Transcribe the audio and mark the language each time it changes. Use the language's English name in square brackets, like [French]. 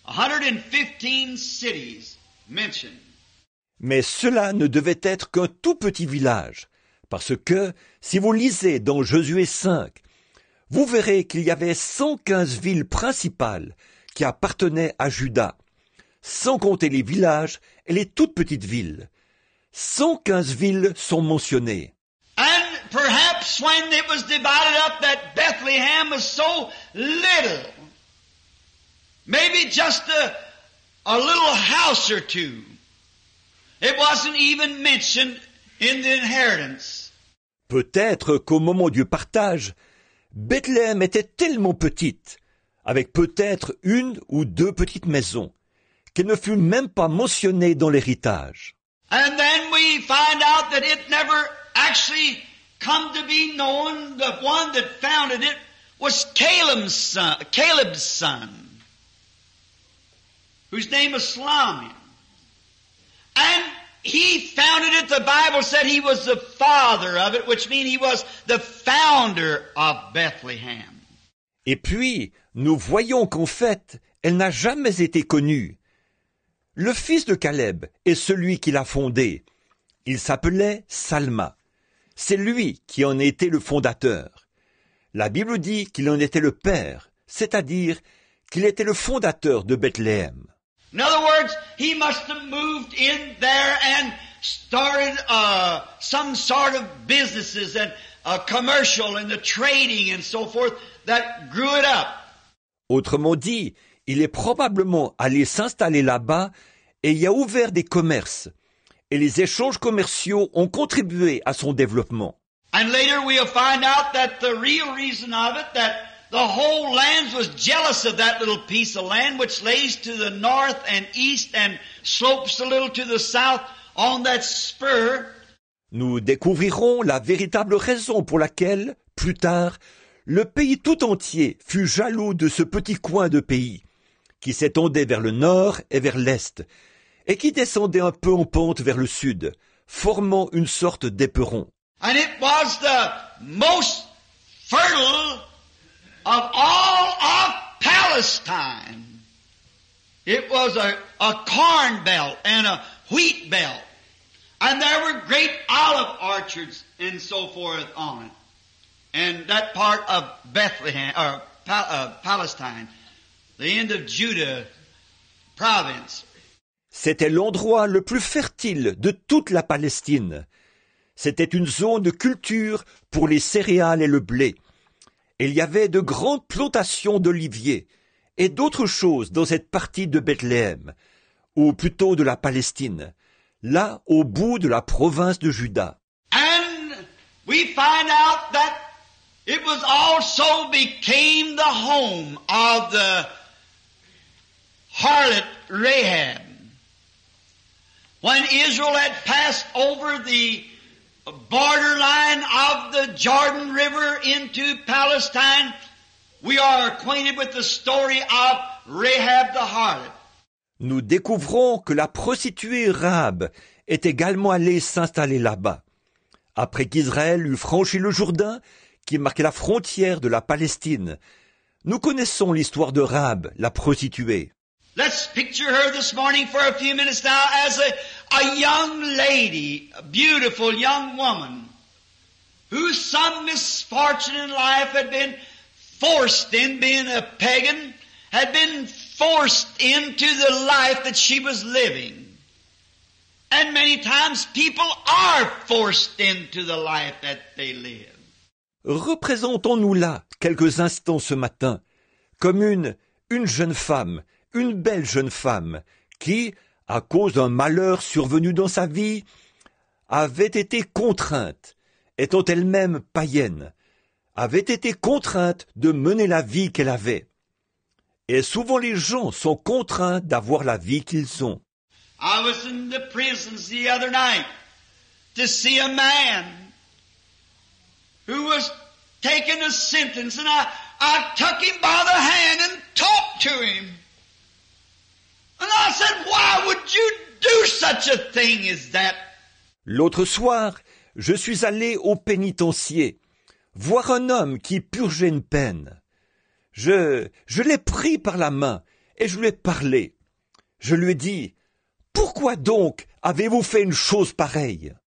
[English] 115 cities mentioned. [French] Mais cela ne devait être qu'un tout petit village, parce que si vous lisez dans Josué 5, vous verrez qu'il y avait 115 villes principales qui appartenaient à Juda, sans compter les villages et les toutes petites villes. 115 villes sont mentionnées. [English] And perhaps when it was divided up that Bethlehem was so little, maybe just a little house or two, it wasn't even mentioned in the inheritance. [French] Peut-être qu'au moment du partage, Bethléem était tellement petite, avec peut-être une ou deux petites maisons, qu'elle ne fut même pas mentionnée dans l'héritage. [English] And then we find out that it never actually come to be known the one that founded it was Caleb's son, whose name was Solomon. And he founded it, the Bible said he was the father of it, which means he was the founder of Bethlehem. [French] Et puis, nous voyons qu'en fait, elle n'a jamais été connue. Le fils de Caleb est celui qui l'a fondée. Il s'appelait Salma. C'est lui qui en était le fondateur. La Bible dit qu'il en était le père, c'est-à-dire qu'il était le fondateur de Bethléem. [English] In other words, he must have moved in there and started some sort of businesses and a commercial and the trading and so forth that grew it up. [French] Autrement dit, il est probablement allé s'installer là-bas et y a ouvert des commerces. Et les échanges commerciaux ont contribué à son développement. [English] And later we'll find out that the real reason of it, that the whole land was jealous of that little piece of land which lays to the north and east and slopes a little to the south on that spur. [French] Nous découvrirons la véritable raison pour laquelle, plus tard, le pays tout entier fut jaloux de ce petit coin de pays qui s'étendait vers le nord et vers l'est et qui descendait un peu en pente vers le sud, formant une sorte d'éperon. [English] And it was the most fertile of all of Palestine. It was a corn belt and a wheat belt. And there were great olive orchards and so forth on it. And that part of Bethlehem, or Palestine, the end of Judah province. [French] C'était l'endroit le plus fertile de toute la Palestine. C'était une zone de culture pour les céréales et le blé. Il y avait de grandes plantations d'oliviers et d'autres choses dans cette partie de Bethléem, ou plutôt de la Palestine, là au bout de la province de Juda. [English] And we find out that it was also became the home of the harlot Rahab. When Israel had passed over the borderline of the Jordan River into Palestine, we are acquainted with the story of Rahab the harlot. [French] Nous découvrons que la prostituée Rahab est également allée s'installer là-bas. Après qu'Israël eut franchi le Jourdain, qui marquait la frontière de la Palestine, nous connaissons l'histoire de Rahab, la prostituée. [English] Let's picture her this morning for a few minutes now as a young lady, a beautiful young woman, who some misfortune in life had been forced in, being a pagan, had been forced into the life that she was living. And many times people are forced into the life that they live. [French] Représentons-nous là quelques instants ce matin comme une jeune femme, une belle jeune femme qui, à cause d'un malheur survenu dans sa vie, avait été contrainte, étant elle-même païenne, avait été contrainte de mener la vie qu'elle avait. Et souvent les gens sont contraints d'avoir la vie qu'ils ont. [English] I was in the prisons the other night to see a man who was taking a sentence, and I took him by the hand and talked to him. And I said, why would you do such a thing as that? [French] L'autre soir, je suis allé au pénitencier voir un homme qui purgeait une peine. Je l'ai pris par la main et je lui ai parlé. Je lui ai dit, pourquoi donc avez-vous fait une chose pareille?